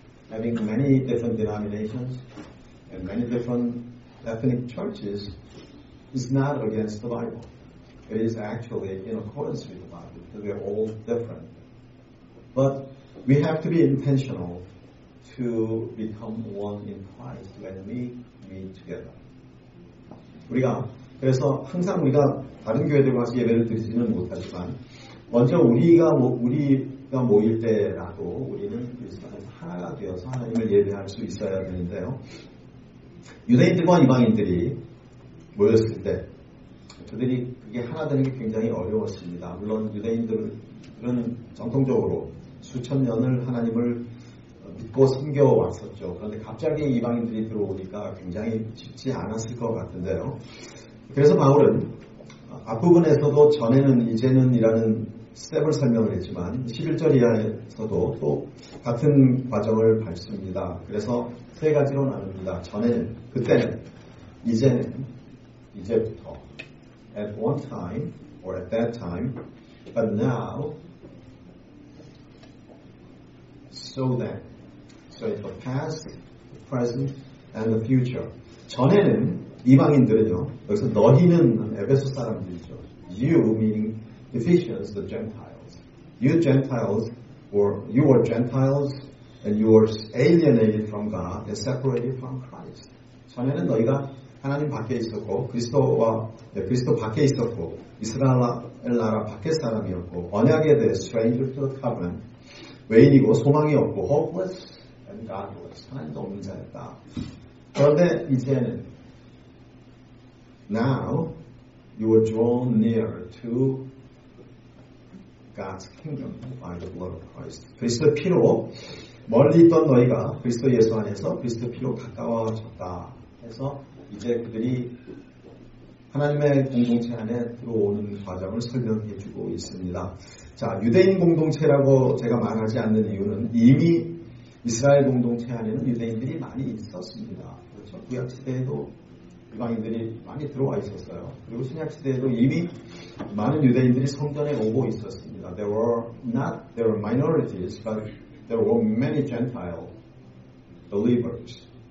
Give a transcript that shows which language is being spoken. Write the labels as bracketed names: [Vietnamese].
[English] Having many different denominations and many different ethnic churches is not against the Bible. It is actually in accordance with the Bible because we are all different. But we have to be intentional to become one in Christ when we meet together. [Korean] 우리가 그래서 항상 우리가 다른 교회들과 같이 예배를 드리지는 못하지만 먼저 우리가 모일 때라도 우리는 하나가 되어서 하나님을 예배할 수 있어야 되는데요. 유대인들과 이방인들이 모였을 때 그들이 그게 하나 되는 게 굉장히 어려웠습니다. 물론 유대인들은 전통적으로 수천 년을 하나님을 믿고 섬겨왔었죠. 그런데 갑자기 이방인들이 들어오니까 굉장히 쉽지 않았을 것 같은데요. 그래서 바울은 앞부분에서도 전에는 이제는 이라는 스텝을 설명을 했지만 11절 이하에서도 또 같은 과정을 밟습니다. 그래서 세 가지로 나눕니다. 전에는, 그때는, 이제는, 이제부터, [English] at one time, or at that time, but now, so then. So it's the past, the present, and the future. [Korean] 전에는 이방인들은요, 여기서 너희는 에베소 사람들이죠. [English] You meaning Ephesians, the Gentiles. You Gentiles, or you were Gentiles, and you were alienated from God and separated from Christ. [Korean] 전에는 너희가 하나님 밖에 있었고 그리스도와 네, 그리스도 밖에 있었고 이스라엘 나라 밖에 사람이었고 언약에 대해 [English] stranger to the covenant [Korean] 외인이고 소망이 없고 [English] hopeless and godless [Korean] 하나님도 없는 자였다. 그런데 이제는 [English] now you are drawn near to God's kingdom by the blood of Christ. [Korean] 그리스도 피로 멀리 있던 너희가 그리스도 예수 안에서 그리스도 피로 가까워졌다 해서 이제 그들이 하나님의 공동체 안에 들어오는 과정을 설명해 주고 있습니다. 자, 유대인 공동체라고 제가 말하지 않는 이유는 이미 이스라엘 공동체 안에는 유대인들이 많이 있었습니다. 그렇죠? 구약시대에도 이방인들이 많이 들어와 있었어요. 그리고 신약시대에도 이미 많은 유대인들이 성전에 오고 있었습니다. [English] There were minorities, but there were many Gentile believers.